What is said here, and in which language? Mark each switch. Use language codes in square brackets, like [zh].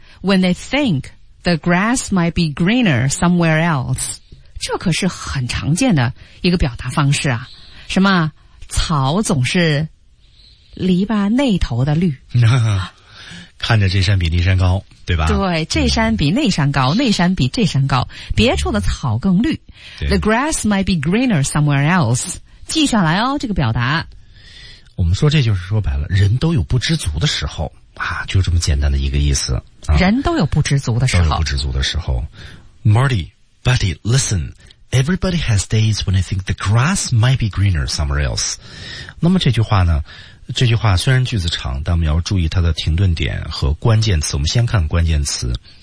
[en] When they think the grass might be greener somewhere else. [zh] 这可是很常见的一个表达方式啊。什么草总是篱笆那头的绿。看着这山比那山高，对吧？对，这山比那山高，那山比这山高，别处的草更绿。 [en] The grass might be greener somewhere else. [zh] 记下来哦，这个表达。我们说这就是说白了，人都有不知足的时候啊，就这么简单的一个意思。啊、人都有不知足的时候。都有不知足的时候。 [en] Marty, buddy, listen. Everybody has days when they think the grass might be greener somewhere else. [zh] 那么这句话呢？这句话虽然句子长，但我们要注意它的停顿点和关键词。我们先看关键词。